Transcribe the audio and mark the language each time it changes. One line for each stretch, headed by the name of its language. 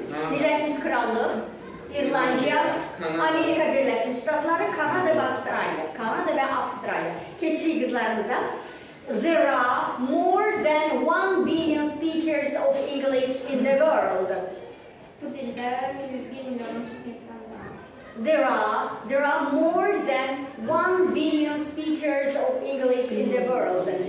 Azerbaijani: Birləşmiş Krallıq, İrlandiya, Amerika Birləşmiş Ştatları, Kanada və Avstraliya. Keçirik qızlarımıza.
English: There are more than 1 billion speakers of English in the world.
Azerbaijani: Bu dildə 1 milyonun çox insan var.
English: There are more than 1 billion speakers of English in the world.